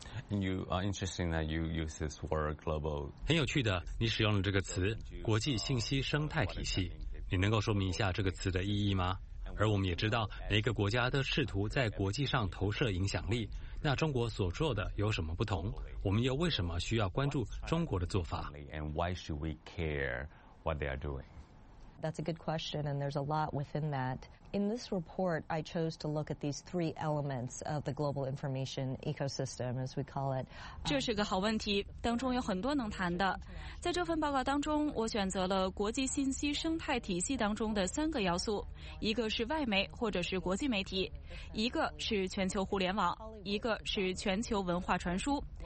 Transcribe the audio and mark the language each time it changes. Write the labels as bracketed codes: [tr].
[en] You are interesting that you use this word global. [zh] 很有趣的，你使用了这个词“国际信息生态体系”，你能够说明一下这个词的意义吗？而我们也知道，每个国家都试图在国际上投射影响力。那中国所做的有什么不同？我们又为什么需要关注中国的做法 [en] ？And why should we care what they are doing? That's a good question, and there's a lot within that. In this report, I chose to look at these three elements of the global information ecosystem, as we call it. [zh] 这是个好问题，当中有很多能谈的。在这份报告当中，我选择了国际信息生态体系当中的三个要素：一个是外媒或者是国际媒体，一个是全球互联网，一个是全球文化传输。